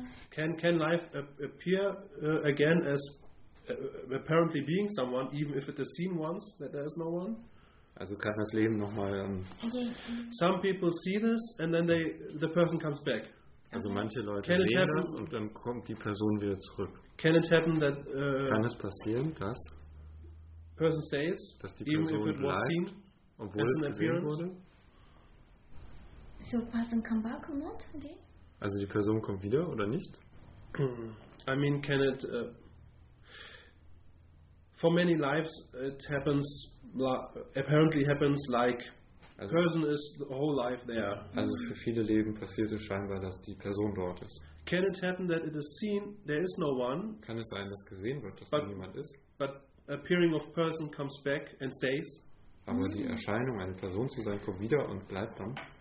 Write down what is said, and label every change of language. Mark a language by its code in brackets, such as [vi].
[en] Can life appear again as apparently being someone, even if it is seen once that there is no one? [de] Also kann das Leben nochmal. [en] Some people see this and then the person comes back. [de] Also manche Leute can sehen das und dann kommt die Person wieder zurück. [en] Can it happen that, [de] kann es passieren, dass [en] person stays, [de] dass die Person [en] even if it [de] bleibt, [en] was seen, [de] obwohl es gesehen wurde? [en] So person come back or not? Okay. [de] Also die Person kommt wieder oder nicht? [en] I mean, can it for many lives it happens apparently happens like also person is the whole life there. [de] Also für viele Leben passiert es scheinbar, dass die Person dort ist. [en] Can it happen that it is seen, there is no one? [de] Kann es sein, dass gesehen wird, dass da niemand ist? [en] But appearing of person comes back and stays. [de] Aber die Erscheinung, eine Person zu sein, kommt wieder und bleibt dann.